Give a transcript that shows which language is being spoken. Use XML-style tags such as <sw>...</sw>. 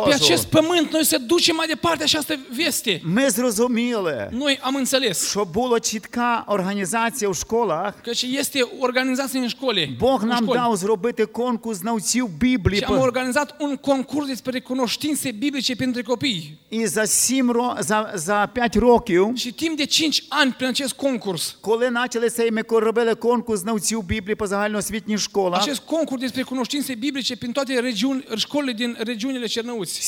<ro>Ca pe acest pământ noi să ducem mai departe această veste.</ro> <uk>Ми зрозуміли.</uk> <ro>Noi am înțeles.</ro> <uk>Що була чітка організація в школах.</uk> <ro>Că este organizație în școli.</ro> <uk>Бог нам дав зробити конкурс знавців Біблії.</uk> <ro>Și am organizat un concurs despre cunoștințe biblice pentru copii.</ro> <uk>І за 7 за 5 років.</uk> <ro>Și timp de 5 ani prin acest concurs.</ro> <uk>Коли начали цей ми робили конкурс знавців Біблії по загальноосвітній школі.</uk> <ro>Acest concurs despre cunoștințe biblice prin toate regiuni, școlile din regiunile Cernăuți.</ro>